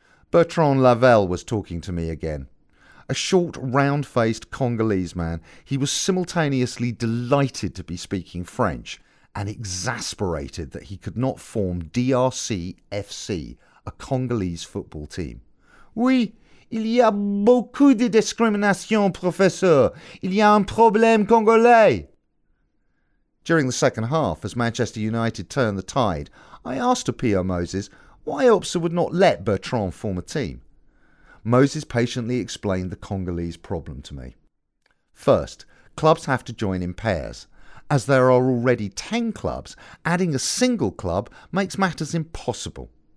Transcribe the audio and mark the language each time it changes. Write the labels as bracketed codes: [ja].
[en] Bertrand Lavelle was talking to me again. A short, round-faced Congolese man, he was simultaneously delighted to be speaking French and exasperated that he could not form DRC FC, a Congolese football team. [fr] Oui, il y a beaucoup de discrimination, professeur. Il y a un problème congolais. [en] During the second half, as Manchester United turned the tide, I asked Apio Moses why Opsa would not let Bertrand form a team. Moses patiently explained the Congolese problem to me. First, clubs have to join in pairs. As there are already 10 clubs, adding a single club makes matters impossible.